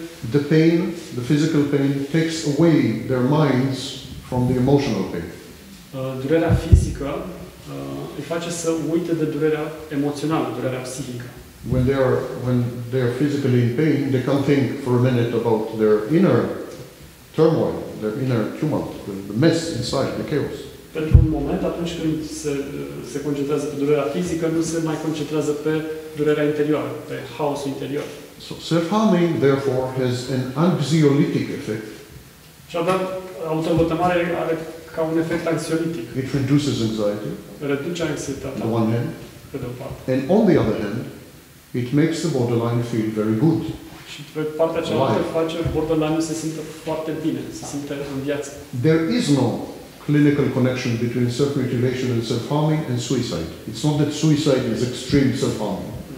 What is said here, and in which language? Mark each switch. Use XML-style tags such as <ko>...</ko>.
<en>The pain, the physical pain, takes away their minds from the emotional pain.</en> <ro>Durerea fizică îi face să uite de durerea emoțională, durerea psihică.</ro> <en>When they are physically in pain, they can't think for a minute about their inner turmoil, their inner tumult, the mess inside, the chaos.</en> <ro>pentru un moment, atunci când se concentrează pe durerea fizică, nu se mai concentrează pe durerea interioară, pe haosul interior.</ro> <en>So self-harming, therefore, has an anxiolytic effect.</en> <ro>Și adar, autovătămare are ca un efect anxiolytic.</ro> <en>It reduces anxiety.</en> <ro>Reduce anxietatea.</ro> <en>On one hand. And on the other hand, it makes the borderline feel very good.</en> <ro>Și pe partea cealaltă face borderline să se simtă foarte bine, să se simtă în viață.</ro> <en>There is no clinical connection between self-mutilation and self-harming and suicide. It's not that suicide is extreme self-harming.</en>